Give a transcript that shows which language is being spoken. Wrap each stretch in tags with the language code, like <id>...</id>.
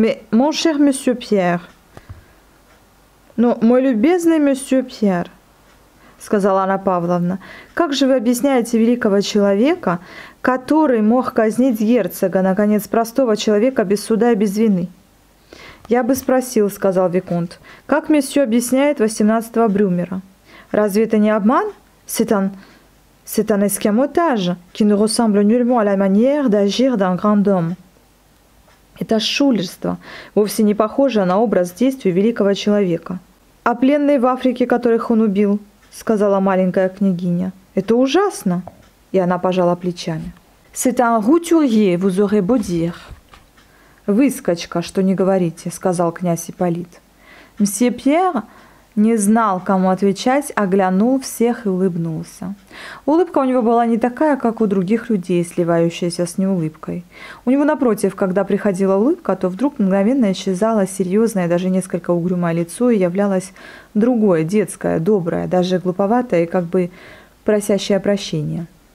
<fr>«Мон шер месье Пьер,</fr> <ru>но мой любезный месье Пьер, — сказала Анна Павловна, — как же вы объясняете великого человека, который мог казнить герцога, наконец, простого человека без суда и без вины?» «Я бы спросил, — сказал виконт, — как месье объясняет 18-го Брюмера? Разве это не обман?</ru> <fr>C'est un escamotage, qui ne ressemble nullement à la manière d'agir d'un grand homme.</fr> <ru>Это шулерство, вовсе не похоже на образ действий великого человека. А пленные в Африке, которых он убил, сказала маленькая княгиня. Это ужасно. И она пожала плечами.</ru> <fr>C'est un routurier, vous aurez beau dire.</fr> <ru>Выскочка, что не говорите, сказал князь Ипполит. Мсье Пьер не знал, кому отвечать, оглянул всех и улыбнулся. Улыбка у него была не такая, как у других людей, сливающаяся с неулыбкой. У него, напротив, когда приходила улыбка, то вдруг мгновенно исчезало серьезное, даже несколько угрюмое лицо и являлось другое, детское, доброе, даже глуповатое и как бы просящее прощения.</ru>